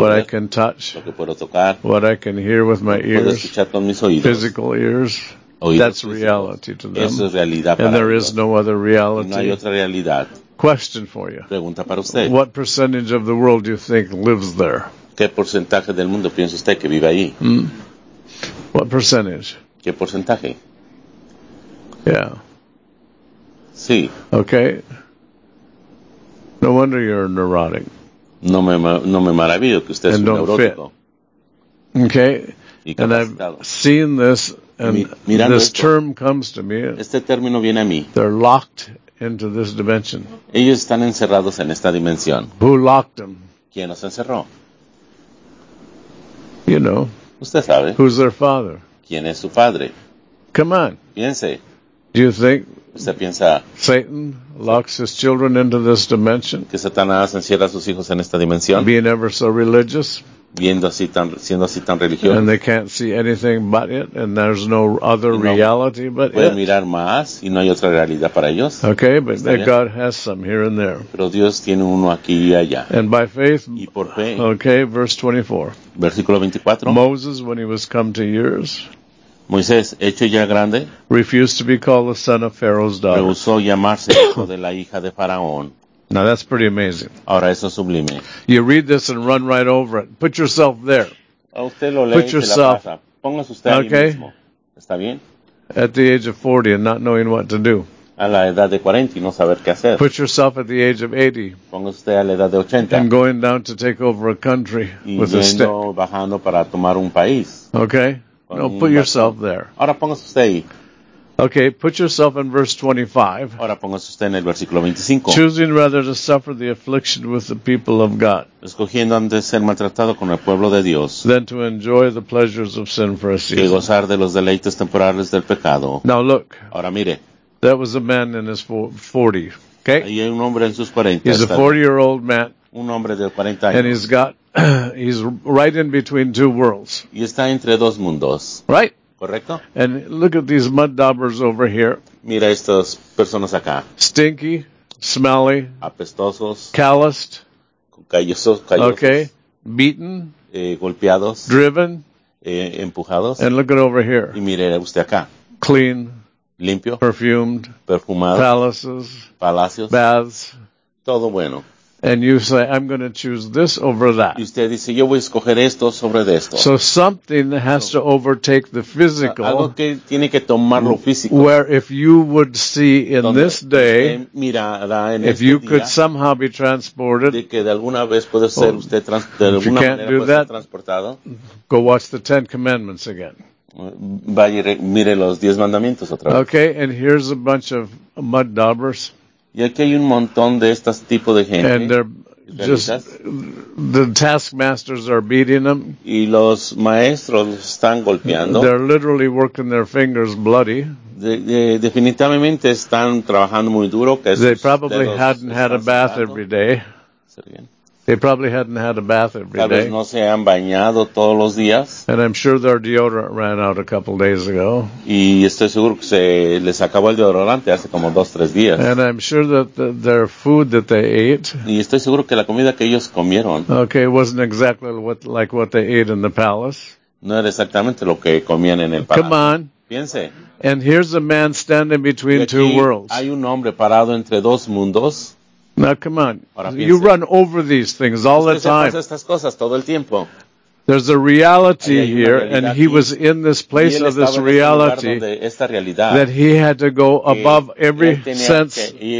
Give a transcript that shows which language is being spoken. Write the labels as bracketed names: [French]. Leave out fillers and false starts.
[English] what [Spanish] ver, [English] I can touch, [Spanish] lo que puedo tocar, [English] what I can hear with my ears, [Spanish] puedo escuchar con mis oídos, [English] physical ears, [Spanish] oídos [English] that's reality to them. [Spanish] Eso es realidad para [English] and there is no other reality. [Spanish] No hay otra realidad. [English] Question for you. [Spanish] Pregunta para usted. [English] What percentage of the world do you think lives there? [Spanish] ¿Qué porcentaje del mundo piensa usted que vive ahí? [English] Mm. What percentage? [Spanish] ¿Qué porcentaje? [English] Yeah. [Spanish] Sí. [English] Okay. No wonder you're neurotic. [Spanish] No me maravillo que usted es neurótico. [English] And don't fit. Okay. And I've seen this, and [Spanish] mirando esto, [English] term comes to me. [Spanish] Este término viene a mí. [English] They're locked into this dimension. [Spanish] Ellos están encerrados en esta dimensión. [English] Who locked them? [Spanish] ¿Quién los encerró? [English] You know. [Spanish] Usted sabe. [English] Who's their father? [Spanish] ¿Quién es su padre? [English] Come on. [Spanish] Piense. [English] Do you think [Spanish] usted piensa, [English] Satan locks his children into this dimension? [Spanish] ¿Que Satanás encierra a sus hijos en esta dimensión? [English] Being ever so religious. [Spanish] Siendo así tan religioso. [English] And they can't see anything but it, and there's no other [Spanish] no [English] reality but [Spanish] pueden [English] it. [Spanish] Pueden mirar más, y no hay otra realidad para ellos. [English] Okay, but God has some here and there. [Spanish] Pero Dios tiene uno aquí y allá. [English] And by faith, [Spanish] y por fe, [English] okay, verse 24. [Spanish] Versículo 24. [English] Moses, when he was come to years, [Spanish] Moisés, hecho ya grande, [English] refused to be called the son of Pharaoh's daughter. [Spanish] Rehusó llamarse hijo de la hija de Faraón. [English] Now that's pretty amazing. [Spanish] Ahora eso es sublime. [English] You read this and run right over it. Put yourself there. [Spanish] A usted lo lee, [English] put yourself. [Spanish] Póngase usted [English] okay. [Spanish] Mismo. ¿Está bien? [English] At the age of 40 and not knowing what to do. [Spanish] A la edad de 40 y no saber qué hacer. [English] Put yourself at the age of 80. [Spanish] Póngase usted a la edad de 80. [English] And going down to take over a country with a stick. [Spanish] Y bajando para tomar un país. [English] Okay. No, put yourself there. [Spanish] Ahora póngase usted ahí. [English] Okay, put yourself in verse 25. [Spanish] Ahora póngase usted en el versículo 25. [English] Choosing rather to suffer the affliction with the people of God. [Spanish] Escogiendo antes ser maltratado con el pueblo de Dios. [English] Than to enjoy the pleasures of sin for a season. [Spanish] Que gozar de los deleites temporales del pecado. [English] Now look. [Spanish] Ahora mire. [English] That was a man in his 40. Okay? [Spanish] Ahí hay un hombre en sus 40. [English] He's a 40-year-old man. [Spanish] Un hombre de 40 años. [English] And he's right in between two worlds. [Spanish] Y está entre dos mundos. [English] Right? [Spanish] Correcto. [English] And look at these mud daubers over here. [Spanish] Mira estas personas acá. [English] Stinky, smelly, [Spanish] apestosos, [English] calloused, [Spanish] callosos. [English] Okay. Beaten, [Spanish] golpeados, [English] driven, [Spanish] empujados. [English] And look at over here. [Spanish] Y mire usted acá. [English] Clean, [Spanish] limpio, [English] perfumed, [Spanish] perfumado, [English] palaces, [Spanish] palacios, [English] baths, [Spanish] todo bueno. [English] And you say, I'm going to choose this over that. [Spanish] Y usted dice, yo voy a escoger esto sobre de esto. [English] So something has to overtake the physical. [Spanish] Algo que tiene que tomar lo físico. [English] Where if you would see in this day, [Spanish] mirará en [English] if [Spanish] este [English] you [Spanish] día, [English] could somehow be transported, [Spanish] de que de alguna vez puede ser usted de alguna manera puede [English] that, [Spanish] ser transportado. [English] Go watch the Ten Commandments again. [Spanish] Vaya, mire los diez mandamientos otra vez. [English] Okay, and here's a bunch of mud daubers. [Spanish] Y aquí hay un montón de estos tipos de gente. [English] And they're just, the taskmasters are beating them. [Spanish] Y los maestros los están golpeando. [English] They're literally working their fingers bloody. [Spanish] Definitivamente están trabajando muy duro. Que [English] they probably hadn't had a bath every day. They probably hadn't had a bath every [Spanish] tal vez [English] day. [Spanish] No se han bañado todos los días. [English] And I'm sure their deodorant ran out a couple days ago. [Spanish] Y estoy seguro que se les acabó el deodorante hace como dos, tres días. [English] And I'm sure that their food that they ate. [Spanish] Y estoy seguro que la comida que ellos comieron. [English] Okay, wasn't exactly what, like what they ate in the palace. [Spanish] No era exactamente lo que comían en el palacio. [English] Come on. [Spanish] Piense. [English] And here's a man standing between two worlds. [Spanish] Hay un hombre parado entre dos mundos. [English] Now, come on. You run over these things all the time. [Spanish] Estas cosas todo el tiempo. [English] There's a reality here, and he was in this place of this reality that he had to go above every sense.